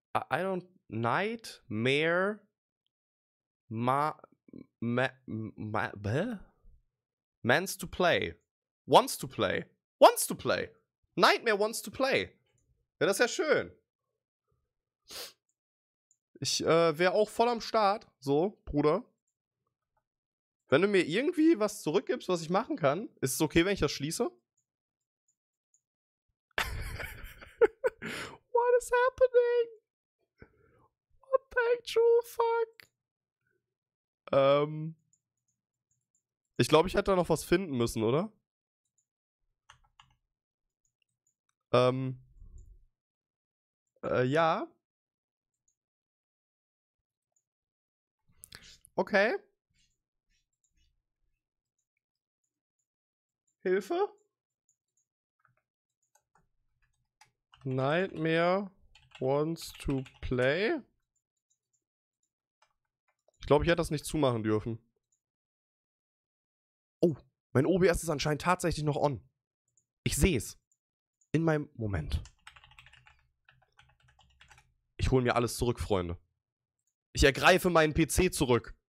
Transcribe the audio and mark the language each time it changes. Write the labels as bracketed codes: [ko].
[en] I don't, nightmare, Mans to play. Wants to play. Wants to play. Nightmare wants to play. [de] Ja, das ist ja schön. Ich wäre auch voll am Start, so, Bruder. Wenn du mir irgendwie was zurückgibst, was ich machen kann, ist es okay, wenn ich das schließe? [en] What is happening? What the actual fuck? [de] Ich glaube, ich hätte da noch was finden müssen, oder? Ja. Okay. Hilfe? [en] Nightmare wants to play. [de] Ich glaube, ich hätte das nicht zumachen dürfen. Oh, mein OBS ist anscheinend tatsächlich noch on. Ich sehe es. In meinem Moment. Ich hole mir alles zurück, Freunde. Ich ergreife meinen PC zurück.